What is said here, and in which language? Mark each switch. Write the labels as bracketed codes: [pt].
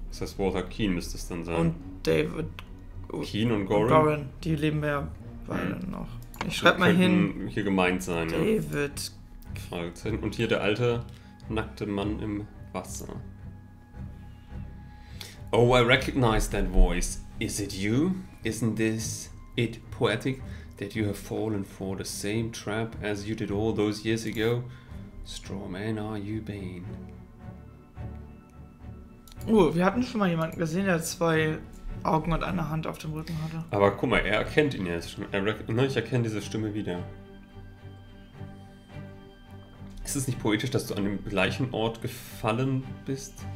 [de] Das heißt, Walter Keane müsste es dann sein. Und David... Keane und Goran? Goran, die leben ja beide noch. Ich schreib mal hin. Hier gemeint sein, David... Ja. Und hier der alte, nackte Mann im Wasser. [en] Oh, I recognize that voice. Is it you? Isn't this it poetic that you have fallen for the same trap as you did all those years ago? Strawman, are you Bane? [de] Wir hatten schon mal jemanden gesehen, der zwei Augen und eine Hand auf dem Rücken hatte. Aber guck mal, er erkennt ihn jetzt schon. Ich erkenne diese Stimme wieder. Ist es nicht poetisch, dass du an dem gleichen Ort gefallen bist?